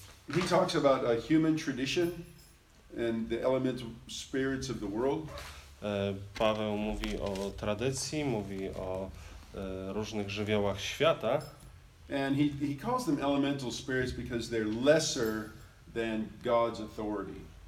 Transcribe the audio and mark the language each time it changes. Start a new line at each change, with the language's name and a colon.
English: He talks about a human tradition and the elemental spirits of the world.
Polish: Paweł mówi o tradycji, mówi o różnych żywiołach świata.
English: And he calls them elemental spirits because they're lesser than God's authority.